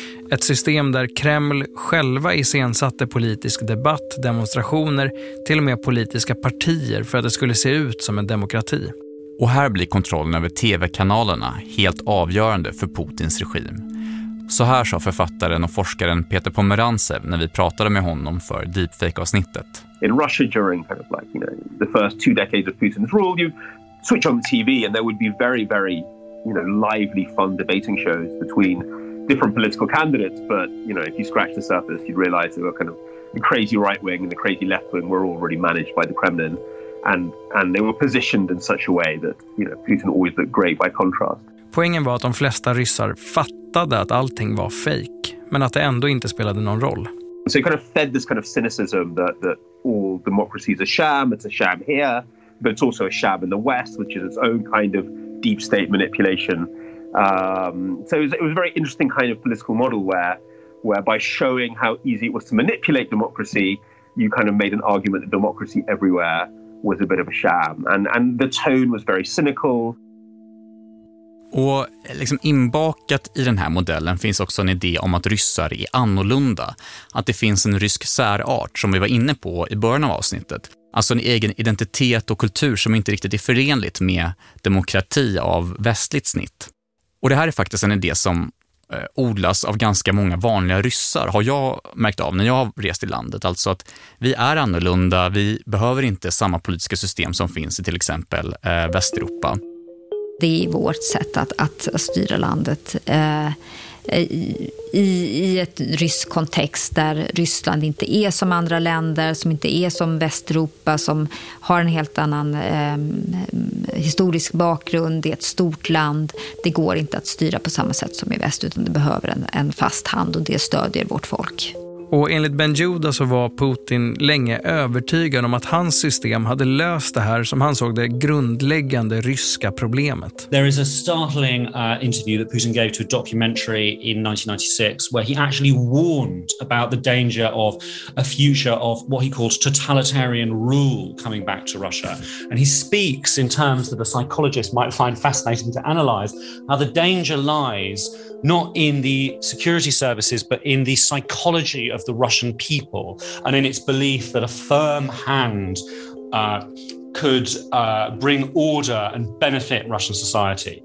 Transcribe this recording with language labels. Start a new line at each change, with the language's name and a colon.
Swedish: Ett system där Kreml själva iscensatte politisk debatt, demonstrationer, till och med politiska partier för att det skulle se ut som en demokrati. Och här blir kontrollen över tv-kanalerna helt avgörande för Putins regim. Så här sa författaren och forskaren Peter Pomerantsev när vi pratade med honom för deepfake-avsnittet.
English: In Russia during kind of like, you know, the first 2 decades of Putin's rule, you switch on the TV and there would be very very, you know, lively fun debating shows between different political candidates, but you know, if you scratch the surface, you'd realize they were kind of the crazy right wing and the crazy left wing were already managed by the Kremlin, and they were positioned in such a way that, you know, Putin always looked great by contrast.
Swedish: Poängen var att de flesta ryssar fattade att allting var fake, men att det ändå inte spelade någon roll.
English: So you kind of fed this kind of cynicism that all democracies are sham. It's a sham here, but it's also a sham in the West, which is its own kind of deep state manipulation. So it was a very interesting kind of political model where by showing how easy it was to manipulate democracy, you kind of made an argument that democracy everywhere was a bit of a sham, and the tone was very cynical.
Swedish: Och liksom inbakat i den här modellen finns också en idé om att ryssar är annorlunda, att det finns en rysk särart som vi var inne på i början av avsnittet. Alltså en egen identitet och kultur som inte riktigt är förenligt med demokrati av västligt snitt. Och det här är faktiskt en idé som odlas av ganska många vanliga ryssar, har jag märkt av när jag har rest i landet. Alltså att vi är annorlunda, vi behöver inte samma politiska system som finns i till exempel Västeuropa. Det är vårt sätt att styra landet i ett rysk kontext där Ryssland inte är som andra länder, som inte är som Västeuropa, som har en helt annan historisk bakgrund. Det är ett stort land. Det går inte att styra på samma sätt som i väst, utan det behöver en fast hand, och det stödjer vårt folk. Och enligt Ben Judah så var Putin länge övertygad om att hans system hade löst det här som han såg det grundläggande ryska problemet.
English: There is a startling interview that Putin gave to a documentary in 1996 where he actually warned about the danger of a future of what he calls totalitarian rule coming back to Russia. And he speaks in terms that a psychologist might find fascinating to analyze how the danger lies not in the security services but in the psychology of the Russian people and in its belief that a firm hand could bring order and benefit Russian society.